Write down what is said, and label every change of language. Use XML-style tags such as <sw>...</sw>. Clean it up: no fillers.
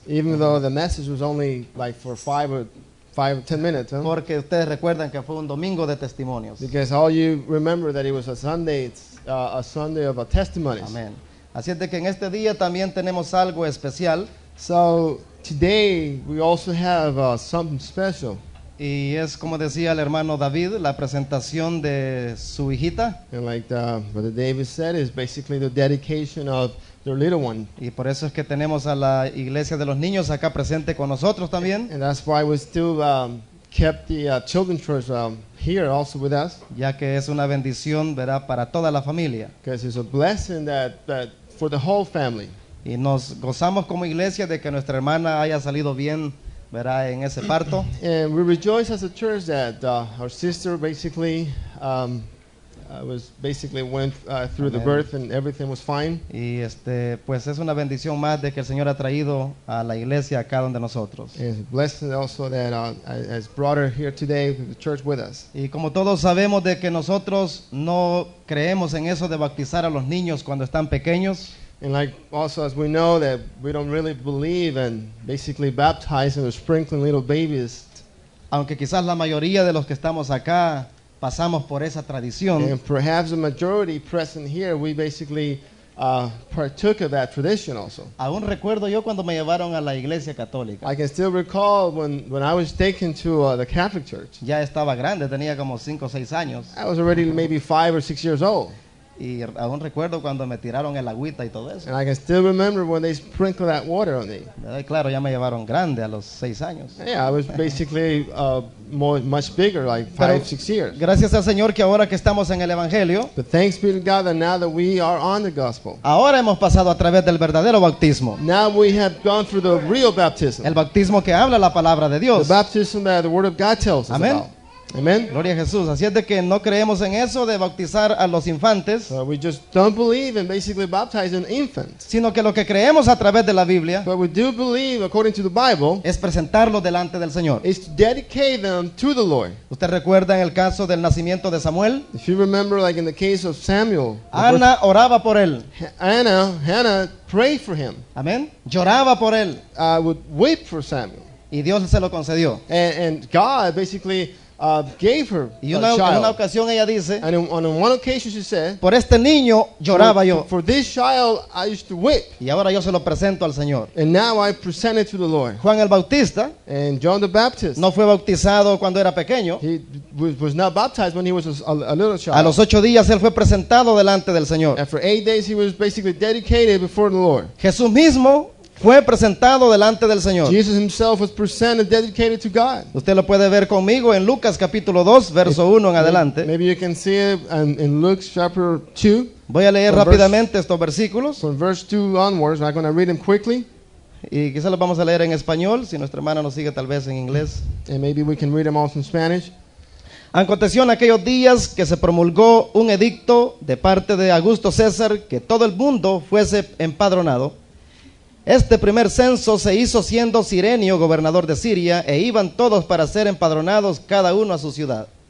<en>Even though the message was only like for 5 or 10 minutes. Huh?</en> <es>Porque ustedes recuerdan que fue un domingo de testimonios.</es> <en>Because all you remember that it was a Sunday of a testimonies. Amen.</en> <es>Así es de que en este día también tenemos algo especial.</es> <en>So today we also have something special.</en> <es>Y es como decía el hermano David, la presentación de su hijita.</es> <en>And like the, what the David said is basically the dedication of their little one.</en> <es>Y por eso es que tenemos a la iglesia de los niños acá presente con nosotros también.</es> <en>And that's why we still kept the children's church here also with us.</en> <es>Ya que es una bendición, ¿verdad?, para toda la familia.</es> <en>Because it's a blessing that for the whole family.</en> <es>Y nos gozamos como iglesia de que nuestra hermana haya salido bien, ¿verdad?, en ese parto.</es> <en>And we rejoice as a church that our sister basically went through Amen. The birth and everything was fine.</en> <es>Y pues es una bendición más de que el Señor ha traído a la iglesia acá donde nosotros.</es> <en>It's a blessing also that has brought her here today to the church with us.</en> <es>Y como todos sabemos de que nosotros no creemos en eso de bautizar a los niños cuando están pequeños.</es> <en>And like also as we know that we don't really believe in basically baptizing or sprinkling little babies.</en> <es>Aunque quizás la mayoría de los que estamos acá pasamos por esa tradición.</es> <en>And perhaps the majority present here, we basically partook of that tradition also.</en> <es>Aún recuerdo yo cuando me llevaron a la iglesia católica.</es> <en>I can still recall when I was taken to the Catholic Church.</en> <es>Ya estaba grande, tenía como 5 o 6 años.</es> <en>I was already maybe 5 or 6 years old.</en> <es>Y aún recuerdo cuando me tiraron el agüita y todo eso.</es> <en>And I can still remember when they sprinkled that water on me.</en> <es>Claro, ya me llevaron grande a los 6 años.</es> <en>Yeah, I was basically much bigger, like 5, 6 years.</en> <es>Gracias al Señor que ahora que estamos en el Evangelio.</es> <en>But thanks be to God that now that we are on the gospel.</en> <es>Ahora hemos pasado a través del verdadero bautismo.</es> <en>Now we have gone through the real baptism.</en> <es>El bautismo que habla la palabra de Dios.</es> <en>The baptism that the Word of God tells Amen. Us about. Amen.</en> <es>Gloria a Jesús. Así es de que no creemos en eso de bautizar a los infantes.</es> <en>We just don't believe in basically baptizing infants.</en> <es>Sino que lo que creemos a través de la Biblia.</es> <en>But we do believe according to the Bible.</en> <es>Es presentarlo delante del Señor.</es> <en>Is to dedicate them to the Lord.</en> <es>¿Usted recuerda en el caso del nacimiento de Samuel?</es> <en>If you remember, like in the case of Samuel.</en> <es>Ana oraba por él.</es> <en>Hannah prayed for him.</en> <es>Amen. Lloraba por él.</es> <en>I would weep for Samuel.</en> <es>Y Dios se lo concedió.</es> <en>And God basically gave her</en> <es>y una,</es> <en>a child.</en> <es>Una ocasión ella dice,</es> <en>and on one occasion she said,</en> <es>por este niño lloraba yo.</es> <en>For this child I used to weep.</en> <es>Y ahora yo se lo presento al Señor.</es> <en>And now I present it to the Lord.</en> <es>Juan el Bautista,</es> <en>and John the Baptist,</en> <es>no fue bautizado cuando era pequeño.</es> <en>He was not baptized when he was a little child.</en> <es>A los 8 días él fue presentado delante del Señor.</es> <en>And for 8 days he was basically dedicated before the Lord.</en> <es>Jesús mismo fue presentado delante del Señor.</es> <en>Jesus himself was presented, dedicated to God.</en> <es>Usted lo puede ver conmigo en Lucas capítulo 2, verso 1 en adelante.</es> <en>Maybe you can see it in Luke chapter 2.</en> <es>Voy a leer rápidamente estos versículos.</es> <en>From verse 2 onwards, I'm going to read them quickly.</en> <es>Y quizás los vamos a leer en español, si nuestra hermana nos sigue tal vez en inglés.</es> <en>And maybe we can read them also in Spanish.</en> <es>Aconteció en aquellos días que se promulgó un edicto de parte de Augusto César que todo el mundo fuese empadronado. Este primer censo se hizo siendo Cirenio gobernador de Siria e iban todos para ser empadronados cada uno a su ciudad.</es>